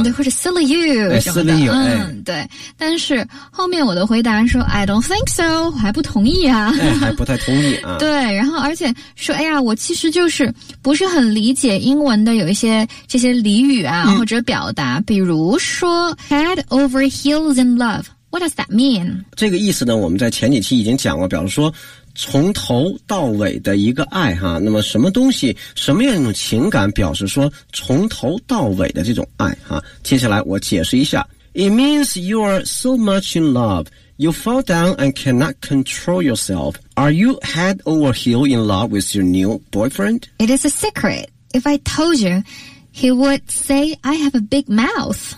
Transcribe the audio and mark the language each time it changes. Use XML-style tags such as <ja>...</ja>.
<zh>嗯，对，或者</zh> <en>silly you、哎。silly you。</en> <zh>嗯，对。但是后面我的回答说</zh> <en>I don't think so，</en> <zh>我还不同意啊。哎，还不太同意啊。对，然后而且说，哎呀，我其实就是不是很理解英文的有一些这些俚语啊、嗯、或者表达，比如。比如说</zh> <en>head over heels in love， what does that mean？</en> <zh>这个意思呢，我们在前几期已经讲过，比如说从头到尾的一个爱哈，那么什么东西，什么样一种情感表示说从头到尾的这种爱哈？接下来我解释一下</zh> <en>，it means you are so much in love you fall down and cannot control yourself. Are you head over heels in love with your new boyfriend？ It is a secret. If I told you. He would say, I have a big mouth.</en>